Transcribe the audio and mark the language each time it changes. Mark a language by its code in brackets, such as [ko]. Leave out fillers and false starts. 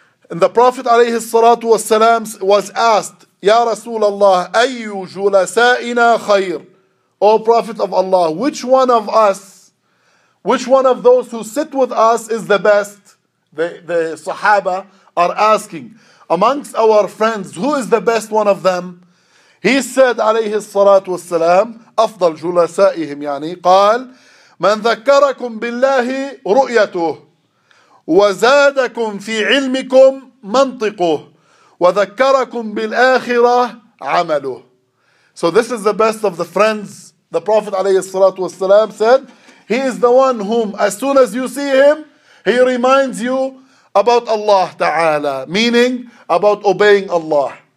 [en] And the Prophet alayhi salatu wasalam was asked, [ar] Ya Rasulallah, ayyu julasaina khayr? [en] O Prophet of Allah, which one of us, which one of those who sit with us is the best? The Sahaba are asking, amongst our friends, who is the best one of them? He said [ar] alayhi salatu wasalam, afdal julasaihim, yani, qal, مَنْ ذَكَّرَكُمْ بِاللَّهِ رُؤْيَتُهُ وَزَادَكُمْ فِي عِلْمِكُمْ مَنْطِقُهُ وَذَكَّرَكُمْ بِالْآخِرَةِ عَمَلُهُ. [en] So this is the best of the friends. The Prophet عليه الصلاة والسلام said, he is the one whom as soon as you see him, he reminds you about Allah Ta'ala, meaning about obeying Allah.